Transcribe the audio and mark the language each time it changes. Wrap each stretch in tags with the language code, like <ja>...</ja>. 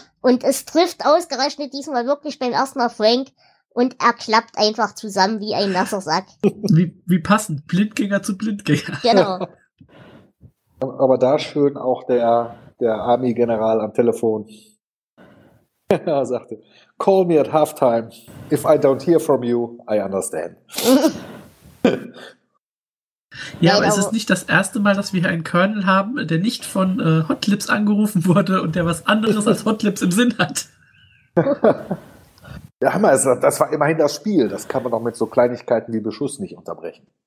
<de>Und es trifft ausgerechnet diesmal wirklich beim ersten Mal Frank und er klappt einfach zusammen wie ein Messersack. Wie passend, Blindgänger zu Blindgänger. Genau. Aber da schön auch der Army-General am Telefon. Er sagte,</de> <en>call me at halftime. If I don't hear from you, I understand.</en> <de>Ja, aber es ist nicht das erste Mal, dass wir hier einen Colonel haben, der nicht von Hot Lips angerufen wurde und der was anderes als Hot Lips im Sinn hat. Ja, Hammer, das war immerhin das Spiel. Das kann man doch mit so Kleinigkeiten wie Beschuss nicht unterbrechen.</de>